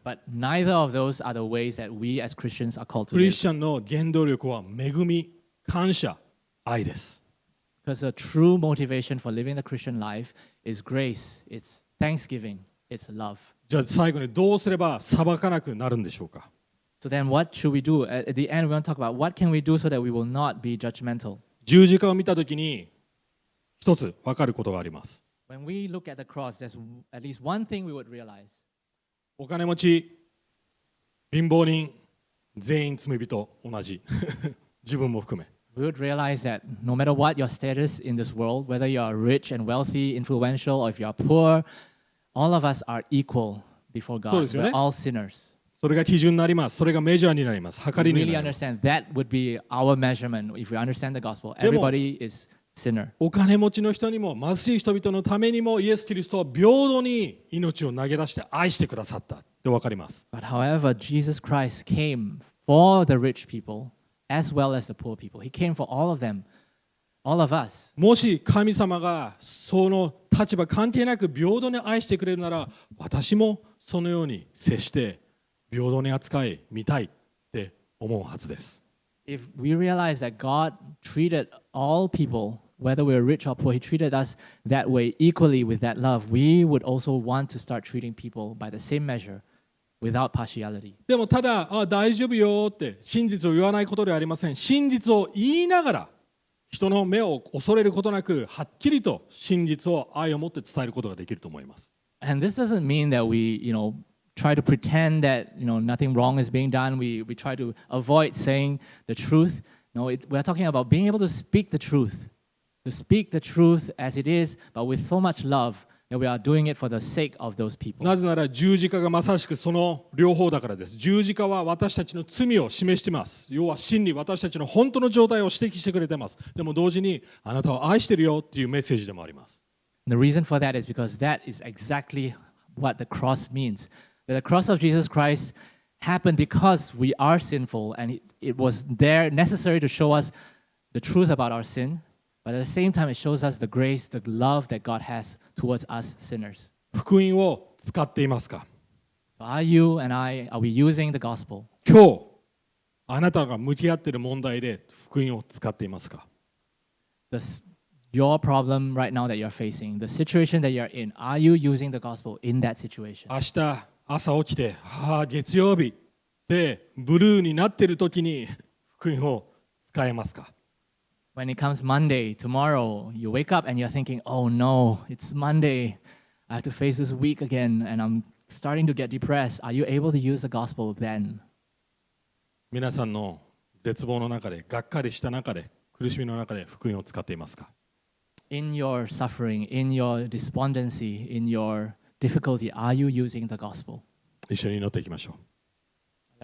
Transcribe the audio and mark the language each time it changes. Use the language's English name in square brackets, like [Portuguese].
[English] But neither of those are the ways that we as Christians are called to live. [Japanese] クリスチャンの原動力は恵み、感謝、愛です。 [English] Because the true motivation for living the Christian life is grace, it's thanksgiving, it's love. [Japanese] じゃあ最後にどうすれば裁かなくなるんでしょうか。 [English] So then what should we do? At the end, we want to talk about what can we do so that we will not be judgmental. [Japanese] 十字架を見たときに一つ分かることがあります。 [English] When we look at the cross, there's at least one thing we would realize. [Japanese] お金持ち、貧乏人、全員罪人、同じ。自分も含め。 [English] We would realize that no matter what your status in this world, whether you are rich and wealthy, influential, or if you are poor, all of us are equal before God. [Japanese] そうですよね。 [English] We're all sinners. [Japanese] それが基準になります。それがメジャーになります。測りになります。 [English] We really understand that would be our measurement if we understand the gospel. Everybody is sinner. [Japanese] お金持ちの人にも貧しい人々のためにもイエス・キリストは平等に命を投げ出して愛してくださったって分かります。 [English] But however, Jesus Christ came for the rich people as well as the poor people. He came for all of them, all of us. [Japanese] もし神様がその立場関係なく平等に愛してくれるなら、私もそのように接して平等に扱い見たいって思うはずです。 [English] If we realize that God treated all people, whether we're rich or poor, He treated us that way equally with that love, we would also want to start treating people by the same measure without partiality. [Japanese] でもただ、あ、大丈夫よって真実を言わないことではありません。真実を言いながら人の目を恐れることなく、はっきりと真実を愛を持って伝えることができると思います。 [English] And this doesn't mean that we, you know,try to pretend that you know, nothing wrong is being done. We try to avoid saying the truth. No, we're talking about being able to speak the truth. To speak the truth as it is, but with so much love that we are doing it for the sake of those people. [Japanese] なぜなら十字架がまさしくその両方だからです。十字架は私たちの罪を示しています。要は真理、私たちの本当の状態を指摘してくれています。でも同時にあなたを愛してるよっていうメッセージでもあります。 [English] The reason for that is because that is exactly what the cross means. The cross of Jesus Christ happened because we are sinful, and it was there necessary to show us the truth about our sin. But at the same time, it shows us the grace, the love that God has towards us sinners. [Japanese] 福音を使っていますか? [English] Are you and I, are we using the gospel? [Japanese] 今日、あなたが向き合っている問題で福音を使っていますか? [English] Your problem right now that you're facing, the situation that you're in, are you using the gospel in that situation? [Japanese] 明日朝起きて、はあ、月曜日でブルーになっているときに福音を使えますか。 [English] When it comes Monday, tomorrow, you wake up and you're thinking, oh no, it's Monday. I have to face this week again and I'm starting to get depressed. Are you able to use the gospel then? [Japanese] 皆さんの絶望の中で、がっかりした中で、苦しみの中で福音を使っていますか。 [English] In your suffering, in your despondency, in yourDifficulty, are you using the gospel? [Japanese] 一緒に祈っていきましょう。